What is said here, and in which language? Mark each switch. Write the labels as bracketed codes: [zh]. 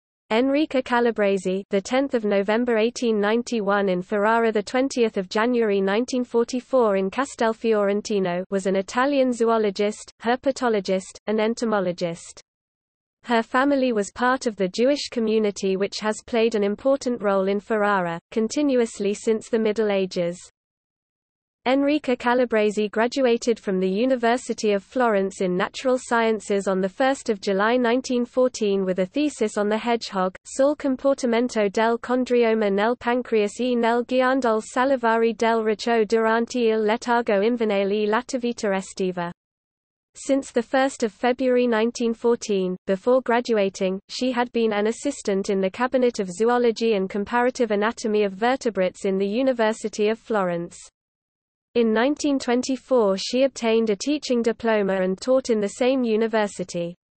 [en] Enrica Calabresi, the 10th of November 1891 in Ferrara, the 20th of January 1944 in Castel Fiorentino, was an Italian zoologist, herpetologist, and entomologist. Her family was part of the Jewish community, which has played an important role in Ferrara continuously since the Middle Ages. Enrica Calabresi graduated from the University of Florence in Natural Sciences on 1 July 1914 with a thesis on the hedgehog, [it] Sul comportamento del condrioma nel pancreas e nel ghiandol salivare del riccio durante il letargo invernale e l'attività estiva. [en] Since 1 February 1914, before graduating, she had been an assistant in the Cabinet of Zoology and Comparative Anatomy of Vertebrates in the University of Florence. In 1924 she obtained a teaching diploma and taught in the same university.